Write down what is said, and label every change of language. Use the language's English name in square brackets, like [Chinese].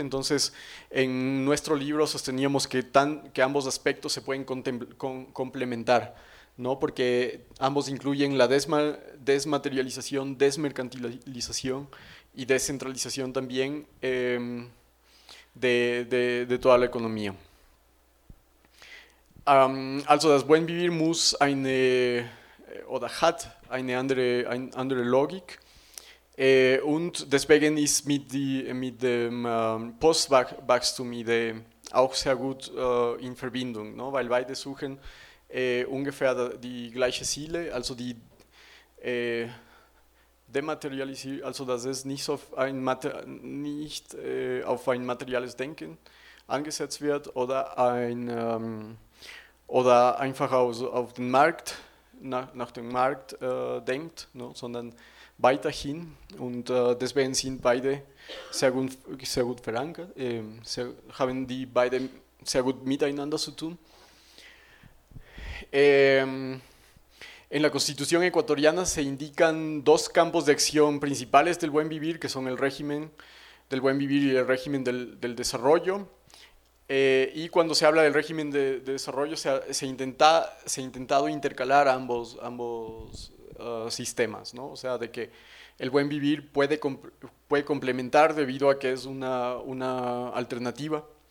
[Spanish] Entonces, en nuestro libro sosteníamos que ambos aspectos se pueden complementar, ¿no? Porque ambos incluyen la desmaterialización, desmercantilización y descentralización también de toda la economía. [German] Also, das Buen Vivir muss eine oder hat eine andere Logik. Und deswegen ist mit dem Postwachstum Idee auch sehr gut in Verbindung, ne? Weil beide suchen ungefähr die gleiche Ziele, also die dematerialisiert, also dass es nicht, so ein nicht auf ein materielles Denken angesetzt wird oder, oder einfach auf den Markt, nach dem Markt denkt, ne, sondern weiterhin. Und deswegen sind beide sehr gut verankert, haben die beide sehr gut miteinander zu tun. [Spanish] En la Constitución ecuatoriana se indican dos campos de acción principales del buen vivir, que son el régimen del buen vivir y el régimen del desarrollo. Y cuando se habla del régimen de desarrollo, se ha intentado intercalar ambos sistemas, ¿no? O sea, de que el buen vivir puede complementar debido a que es una alternativa.